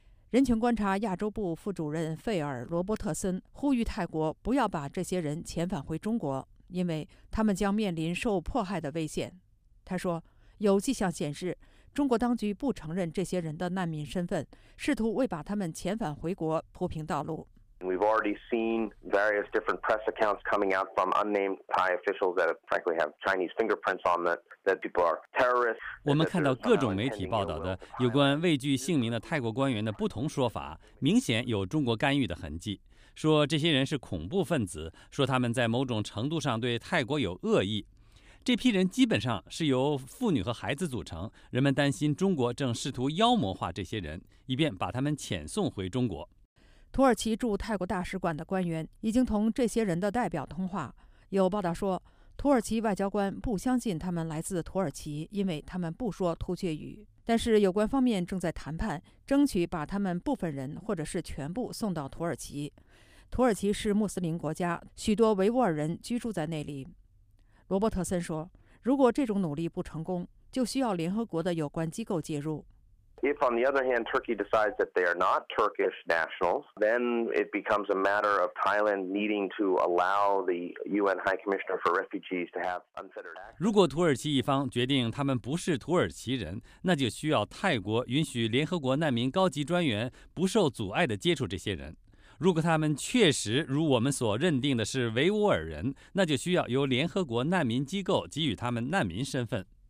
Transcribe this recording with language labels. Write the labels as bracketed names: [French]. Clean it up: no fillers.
[Chinese] 人权观察亚洲部副主任费尔·罗伯特森呼吁泰国不要把这些人遣返回中国，因为他们将面临受迫害的危险。他说，有迹象显示，中国当局不承认这些人的难民身份，试图为把他们遣返回国铺平道路。 [English] We've already seen various different press accounts coming out from unnamed Thai officials that frankly have Chinese fingerprints on them, that people are terrorists. [Chinese] 我们看到各种媒体报道的有关畏惧姓名的泰国官员的不同说法，明显有中国干预的痕迹，说这些人是恐怖分子，说他们在某种程度上对泰国有恶意。这批人基本上是由妇女和孩子组成，人们担心中国正试图妖魔化这些人，以便把他们遣送回中国。土耳其驻泰国大使馆的官员已经同这些人的代表通话，有报道说土耳其外交官不相信他们来自土耳其，因为他们不说突厥语，但是有关方面正在谈判，争取把他们部分人或者是全部送到土耳其。土耳其是穆斯林国家，许多维吾尔人居住在那里。罗伯特森说，如果这种努力不成功，就需要联合国的有关机构介入。 [English] If on the other hand, Turkey decides that they are not Turkish nationals, then it becomes a matter of Thailand needing to allow the UN High Commissioner for Refugees to have unfettered access. [Chinese] 如果土耳其一方决定他们不是土耳其人，那就需要泰国允许联合国难民高级专员不受阻碍地接触这些人。如果他们确实如我们所认定的是维吾尔人，那就需要由联合国难民机构给予他们难民身份。